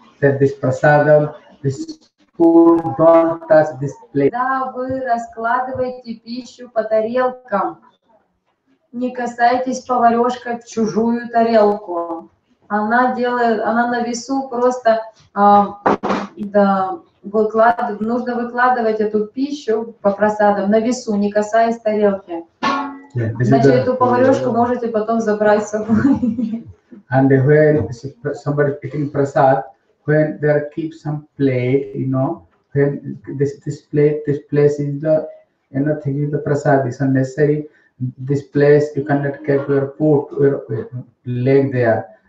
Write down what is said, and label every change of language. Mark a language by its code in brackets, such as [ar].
[en] That this prasadam, this spoon, don't touch this plate. [ru] Да, вы раскладываете пищу по тарелкам. Не касайтесь поварёшкой в чужую тарелку. Она делает, она на весу просто, да, нужно выкладывать эту пищу по просадам на весу, не касаясь тарелки. Значит, эту поварёшку можете потом забрать с собой. [en] And when somebody picking prasad, when there keep some plate, you know, when this plate, this place is the, you know, thinking the prasad is unnecessary. This place you cannot keep your foot, your leg there.